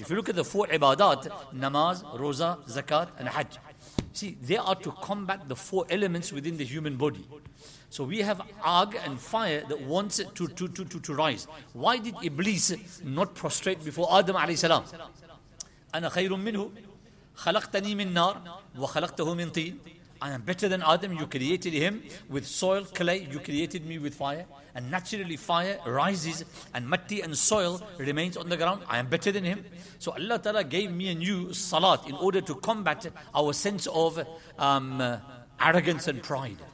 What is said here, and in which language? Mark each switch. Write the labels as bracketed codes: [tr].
[en] If you look at the four ibadat, namaz, roza, zakat, and hajj. See, they are to combat the four elements within the human body. So we have arg and fire that wants it to rise. Why did Iblis not prostrate before Adam alayhi salam? [ar] أنا خير منه خلقتني من نار وخلقته من طين. [en] I am better than Adam. You created him with soil, clay. You created me with fire. And naturally fire rises and matti and soil remains on the ground. I am better than him. So Allah Ta'ala gave me a new salat in order to combat our sense of arrogance and pride.